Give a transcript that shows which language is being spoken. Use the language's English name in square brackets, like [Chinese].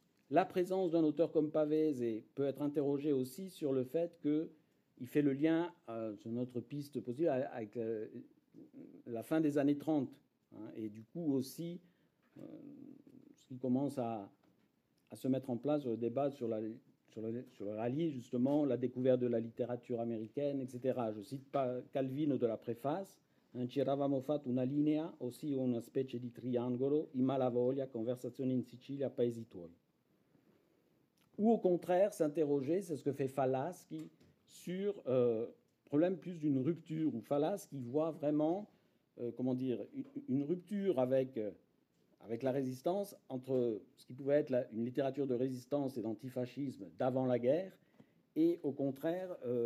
[French] La présence d'un auteur comme Pavese peut être interrogée aussi sur le fait qu'il fait le lien, sur notre piste possible, avec la fin des années 30, hein, et du coup aussi ce qui commence à se mettre en place sur le débat sur le rallye, justement, la découverte de la littérature américaine, etc. Je cite Calvino de la préface. [Italian] Non ci eravamo fatto una linea, ossia una specie di triangolo, i malavoglia, conversazione in Sicilia, paesi tuoi. [French] Ou au contraire, s'interroger, c'est ce que fait Fallas, qui, sur problème plus d'une rupture, ou Fallas qui voit vraiment, comment dire, une rupture avec la résistance entre ce qui pouvait être une littérature de résistance et d'antifascisme d'avant la guerre, et au contraire,